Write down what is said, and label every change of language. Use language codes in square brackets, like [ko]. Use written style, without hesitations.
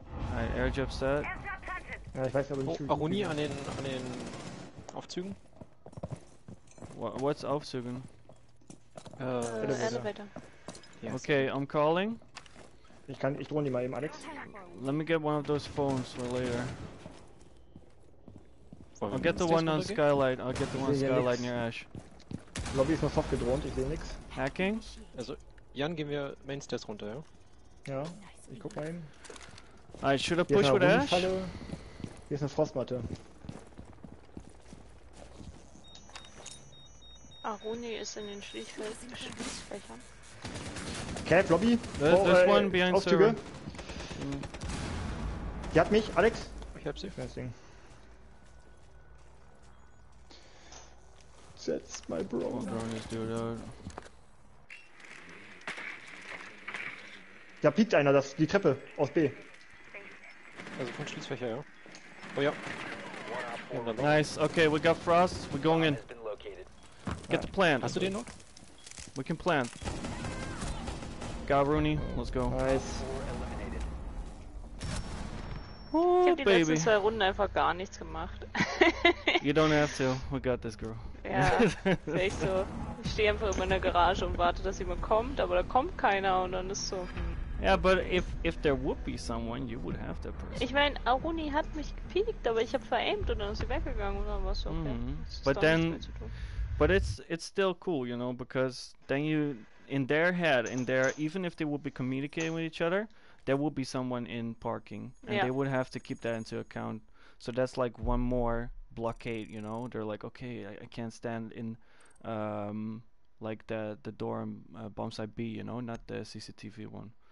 [en] Alright, yeah. Airjump set. [de] Ja, ich weiß aber nicht. Oh, Aruni an den Aufzügen. [en] What's Aufzügen? Elevator. Okay, I'm calling. [de] Ich drohne die mal eben, Alex. [en] Let me get one of those phones for later. I'll get the one on Skylight. I'll get the one on Skylight near Ash. [de] Lobby ist noch soft gedrohnt, ich sehe nix. [en] Hacking? [de] Also, Jan, gehen wir Mainstairs runter, ja? Ja, ich guck mal eben. [en] Alright, should I push with Ash? [de] Hier ist eine Frostmatte. Aruni ist in den Schließfächern. [en] Cap, Lobby. There's one behind [de] Aufzüge. [en] Server. [de] Die hat mich, Alex. Ich hab sie. [en] Fencing. That's my bro. Oh, drone is due out. [de] Da piekt einer, die Treppe aus B. Also von Schließfächer, ja. Oh ja. [en] Nice, okay, we got Frost, we're going in. Get the plan. [de] Hast du den noch? [en] We can plan. Got Rooney, let's go. Nice. Oh, [de] ich hab baby. Die letzten zwei Runden einfach gar nichts gemacht. [en] You don't have to, we got this girl. [de] Ja, sehe ich so. Ich stehe einfach immer in der Garage und warte, dass jemand kommt, aber da kommt keiner und dann ist so. [en] Yeah, but if there would be someone, you would have that person. [de] Ich meine, Aruni hat mich gepiekt, aber ich habe veraimt und dann ist sie weggegangen oder was, okay. Mm-hmm. [en] But then, but it's still cool, you know, because then you, in their head, in their, even if they would be communicating with each other, there would be someone in parking. And yeah, they would have to keep that into account. So that's like one more blockade, you know, they're like, okay, I can't stand in, like the dorm, bombsite B, you know, not the CCTV one.